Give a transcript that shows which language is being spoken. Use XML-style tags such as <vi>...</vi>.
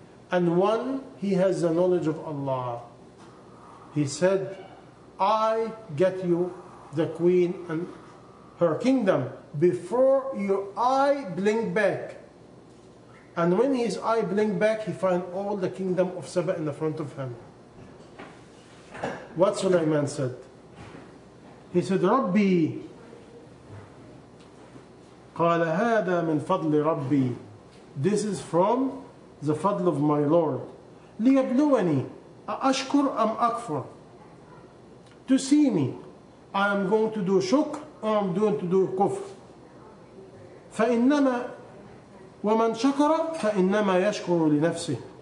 <en>And one, he has the knowledge of Allah. He said, "I get you the queen and her kingdom before your eye blink back." And when his eye blink back, he find all the kingdom of Saba in the front of him. What Sulaiman said? He said,</en> <ar>"Rabbi, قال هذا من فضل ربي.</ar> <en>This is from the fadl of my Lord.</en> <ar>ليبلوني أشكر أم أكفر.</ar> <en>To see me, I am going to do shukr or I'm going to do kufr.</en> <ar>فَإِنَّمَا وَمَنْ شَكَرَ فَإِنَّمَا يَشْكُرُ لِنَفْسِهِ.</ar>